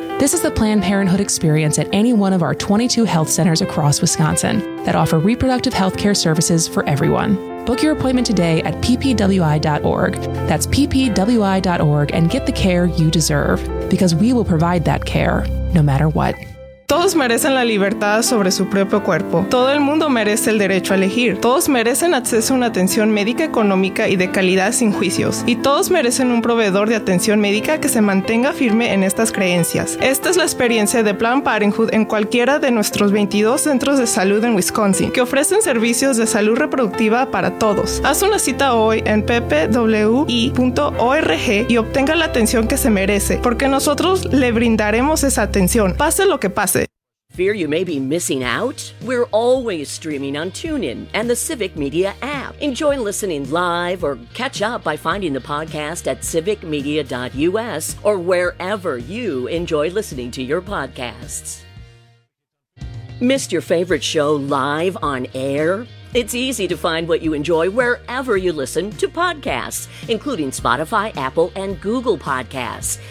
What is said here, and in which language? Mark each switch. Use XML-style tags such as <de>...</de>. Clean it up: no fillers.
<en>This is the Planned Parenthood experience at any one of our 22 health centers across Wisconsin that offer reproductive healthcare services for everyone. Book your appointment today at ppwi.org. That's ppwi.org, and get the care you deserve, because we will provide that care no matter what.</en> <es>Todos merecen la libertad sobre su propio cuerpo. Todo el mundo merece el derecho a elegir. Todos merecen acceso a una atención médica económica y de calidad sin juicios. Y todos merecen un proveedor de atención médica que se mantenga firme en estas creencias. Esta es la experiencia de Planned Parenthood en cualquiera de nuestros 22 centros de salud en Wisconsin, que ofrecen servicios de salud reproductiva para todos. Haz una cita hoy en ppwi.org y obtenga la atención que se merece, porque nosotros le brindaremos esa atención, pase lo que pase.</es> <en>Fear you may be missing out? We're always streaming on TuneIn and the Civic Media app. Enjoy listening live or catch up by finding the podcast at civicmedia.us or wherever you enjoy listening to your podcasts. Missed your favorite show live on air? It's easy to find what you enjoy wherever you listen to podcasts, including Spotify, Apple, and Google Podcasts.</en>